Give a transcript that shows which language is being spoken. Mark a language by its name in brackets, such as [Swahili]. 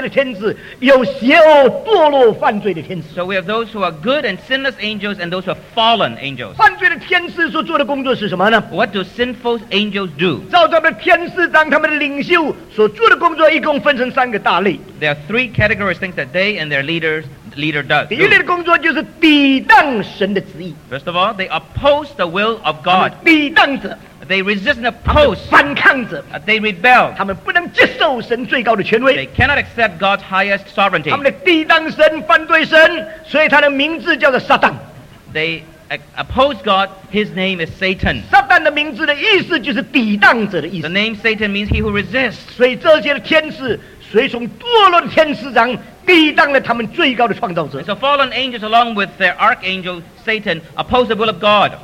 [Chinese] 所以这里给我们看见有善良的不犯罪的天使，有邪恶堕落犯罪的天使。 [English] So we have those who are good and sinless angels, and those who are fallen angels. [Chinese] 犯罪的天使所做的工作是什么呢？ [English] What do sinful angels do? [Chinese] 照他们的天使当他们的领袖所做的工作，一共分成三个大类。 [English] There are three categories of things that they and their leaders. Leader does. [Chinese] 第一类的工作就是抵挡神的旨意。 [English] First of all, they oppose the will of God. [Chinese] 抵挡者。 [English] They resist and oppose. [Chinese] 反抗者, [English] they rebel. [Chinese] 他们不能接受神最高的权威。 [English] They cannot accept God's highest sovereignty. [Chinese] 他们抵挡神，反对神，所以他的名字叫做撒旦。 [English] They oppose God, his name is Satan. [Chinese] 撒旦的名字的意思就是抵挡者的意思。 [English] The name Satan means he who resists. [Chinese] 所以这些天使随从堕落的天使长。 [English] So fallen angels along with their archangel Satan oppose the will of God.